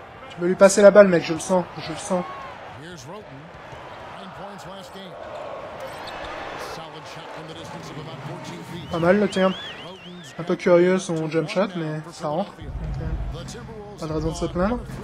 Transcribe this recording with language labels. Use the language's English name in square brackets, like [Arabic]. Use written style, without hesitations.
[French] Tu veux lui passer la balle, mec, je le sens, je le sens. [English] Here's Roten, 9 points last game. Solid shot from the distance of about 14 feet. [French] Pas mal le tir. Un peu curieux son jump shot, mais ça rentre. Okay. Pas de raison de se plaindre.